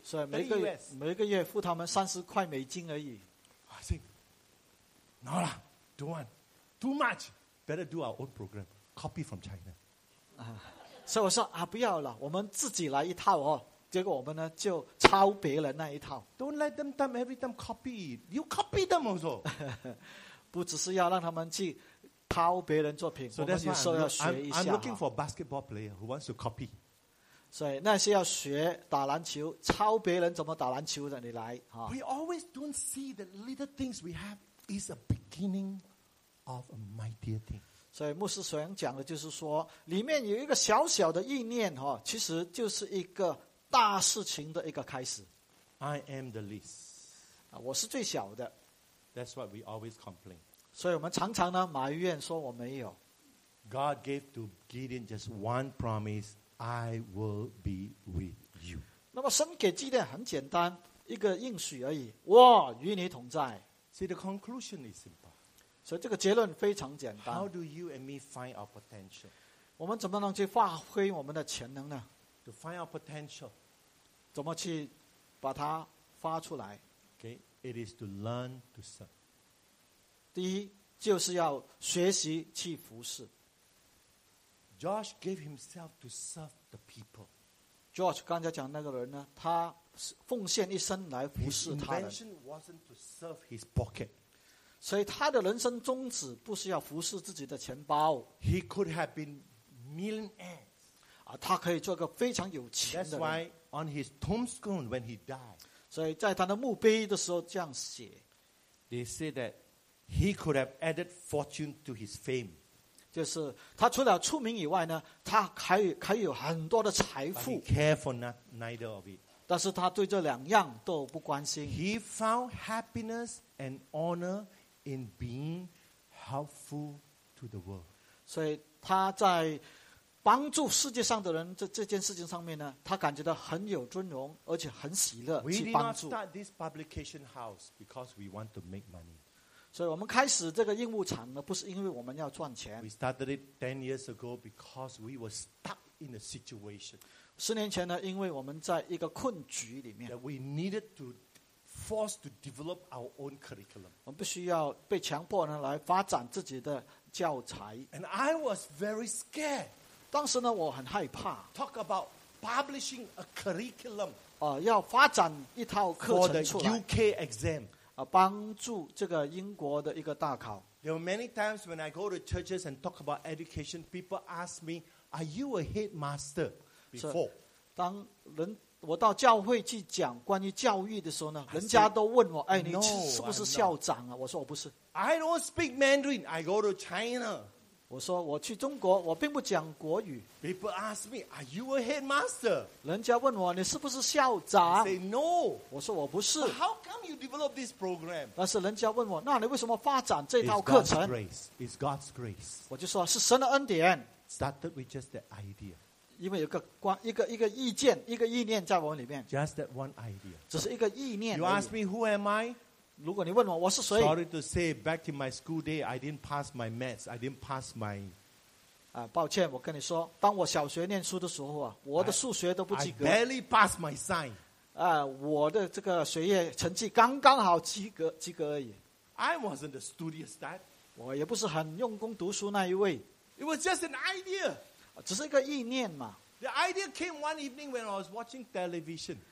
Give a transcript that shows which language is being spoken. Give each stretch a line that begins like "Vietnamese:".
Chinese: 所以每个月付他们30块美金而已。
English: I think, no lah, don't want, too much. Better do our own program, copy from China.
Chinese: 所以我说啊，不要了，我们自己来一套哦。结果我们呢就抄别人那一套。
English: Don't let them dumb every time copy. You copy them also.
Chinese: 不只是要让他们去抄别人作品，我们有时候要学一下。
English: I'm looking for a basketball player who wants to copy.
Chinese: 所以那些要学打篮球抄别人怎么打篮球的你来、
English: We always don't see the little things we have is a beginning of a mightier thing
Chinese: 所以牧师想讲的就是说里面有一个小小的意念、其实就是一个大事情的一个开始
English: I am the least
Chinese: 我是最小的
English: That's what we always complain
Chinese: 所以我们常常呢埋怨说我没有
English: God gave to Gideon just one promiseI will be with you.
Chinese: 那么神给基甸很简单，一个应许而已。我与你同在。
English: See the conclusion is simple.
Chinese: 所以这个结论非常简单。
English: How do you and me find our potential?
Chinese: 我们怎么能去发挥我们的潜能呢
English: ？To find our potential,
Chinese: 怎么去把它发出来
English: ？Okay, it is to learn to serve.
Chinese: 第一就是要学习去服侍。
English: Josh gave himself to serve the people.
Chinese: Josh 刚才讲那个人呢，他奉献一生来服侍他人。
English: His intention wasn't to serve his pocket.
Chinese: 所以他的人生宗旨不是要服侍自己的钱包。
English: He could have been millionaires.
Chinese: 他可以做个非常有钱的人。
English: That's why on his tombstone when he died.
Chinese: 所以在他的墓碑的时候这样写。
English: They say that he could have added fortune to his fame.
Chinese: 就是他除了出名以外呢，他还有很多的财富。
English: But he cared for neither of it.
Chinese: 但是他对这两样都不关心。
English: He found happiness and honor in being helpful to the world.
Chinese: 所以他在帮助世界上的人这件事情上面呢，他感觉到很有尊荣，而且很喜乐去帮助。
English: We did not start this publication house because we want to make money.
Chinese: 所以我们开始这个印务厂呢，不是因为我们要赚钱。
English: We started it 10 years ago because we were stuck in a situation.
Chinese: 10年前呢，因为我们在一个困局里面。
English: That we needed to force to develop our own curriculum.
Chinese: 我们必须要被强迫呢来发展自己的教材。
English: And I was very scared.
Chinese: 当时呢，我很害怕。
English: Talk about publishing a curriculum.
Chinese: 要发展一套课程出来。
English: For the UK exam.
Chinese: 帮助这个英国的一个大考。
English: There were many times when I go to churches and talk about education, people ask me, "Are you a headmaster before?"
Chinese: 当人我到教会去讲关于教育的时候呢，人家都问我，哎，你是不是校长啊？我说我不是。
English: I don't speak Mandarin. I go to China.
Chinese: 我说我去中国，我并不讲国语。
English: People ask me, "Are you a headmaster?"
Chinese: 人家问我，你是不是校长
English: ？Say no.
Chinese: 我说我不是。
English: But how come you develop this program?
Chinese: 但是人家问我，那你为什么发展这套课程
English: ？It's God's grace. It's God's grace.
Chinese: 我就说是神的恩典。
English: Started with just the idea.
Chinese: 因为有一个意见，一个意念在我里面。
English: Just that one idea.
Chinese: 只是一个意念而已。
English: You ask me, "Who am I?"
Chinese: 如果你问我我是谁
English: ？Sorry to say, back in my school day, I didn't pass my maths. I didn't pass my.
Chinese: 啊，抱歉，我跟你说，当我小学念书的时候啊，我的数学都不及格。
English: I barely passed my science.
Chinese: 啊，我的这个学业成绩刚刚好及格而已。
English: I wasn't a studious type.
Chinese: 我也不是很用功读书那一位。
English: It was just an idea.
Chinese: 只是一个意念嘛。
English: The idea came one evening when I was watching television.